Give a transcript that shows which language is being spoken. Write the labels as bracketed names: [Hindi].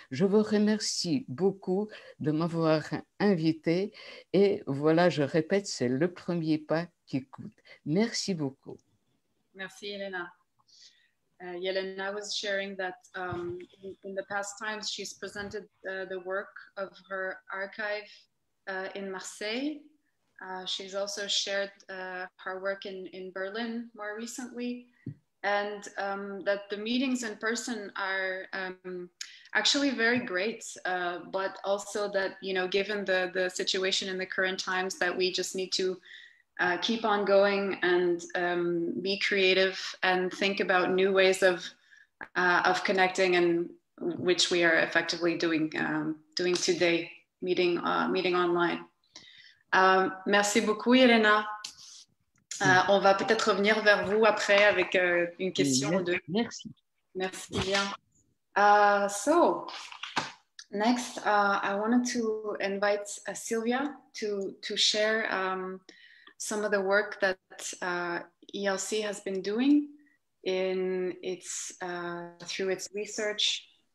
[French] Je vous remercie beaucoup de m'avoir invité et voilà, je répète, c'est le premier pas qui coûte. Merci beaucoup. Merci, Elena. [English] Elena was sharing that in the past times she's presented the work of her archive in Marseille. She's also shared her work in Berlin more recently, and that the meetings in person are actually very great, but also that, you know, given the situation in the current times, that we just need to keep on going and be creative and think about new ways of connecting, and which we are effectively doing today, meeting online. [French] Merci beaucoup, Elena. On va peut-être revenir vers vous après avec une question ou deux. Merci. Merci bien. [English] So next, I wanted to invite Silvia to share some of the work that ELC has been doing in its through its research.